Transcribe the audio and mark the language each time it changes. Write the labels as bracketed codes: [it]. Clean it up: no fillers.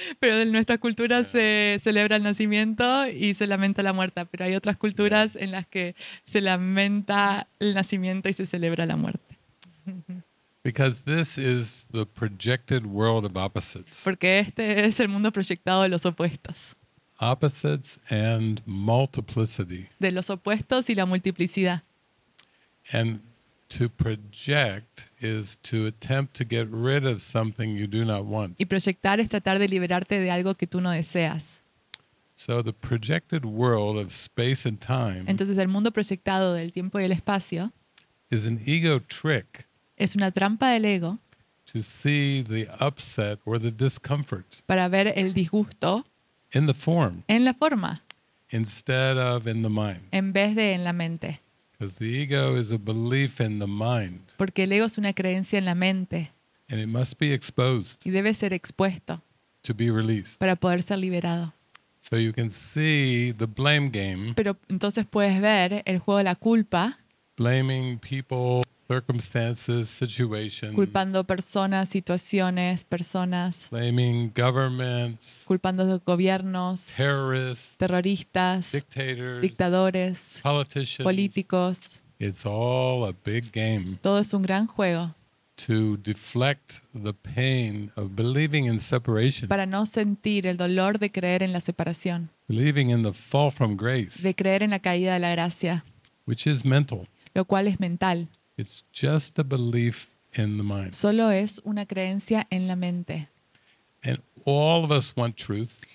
[es] Pero en nuestra cultura se celebra el nacimiento y se lamenta la muerte. Pero hay otras culturas en las que se lamenta el nacimiento y se celebra la muerte. [en] Because this is the projected world of opposites. [es] Porque este es el mundo proyectado de los opuestos. [en] Opposites and multiplicity. [es] De los opuestos y la multiplicidad. [en] And to project is to attempt to get rid of something you do not want. [es] Y proyectar es tratar de liberarte de algo que tú no deseas. [en] So the projected world of space and time. [es] Entonces el mundo proyectado del tiempo y el espacio. [en] Is an ego trick. [es] Es una trampa del ego [en] to see the upset or the discomfort [es] para ver el disgusto [en] in the form, [es] en la forma [en] instead of in the mind. [es] En vez de en la mente. [en] Because the ego is a belief in the mind. [es] Porque el ego es una creencia en la mente. [en] And it must be exposed [es] y debe ser expuesto [en] to be released. [es] Para poder ser liberado. [en] So you can see the blame game. [es] Pero entonces puedes ver el juego de la culpa. [en] Blaming people. Circumstances, situations. [es] Culpando personas, situaciones, personas. [en] Blaming governments. [es] Culpando gobiernos. [en] Terrorists. [es] Terroristas. [en] Dictators. [es] Dictadores. [en] Politicians. [es] Políticos. [en] It's all a big game. [es] Todo es un gran juego. [en] To deflect the pain of believing in separation. [es] Para no sentir el dolor de creer en la separación. [en] Believing in the fall from grace. [es] De creer en la caída de la gracia. [en] Which is mental. [es] Lo cual es mental. [en] It's just a belief in the mind. [es] Solo es una creencia en la mente. [en] And all of us want truth.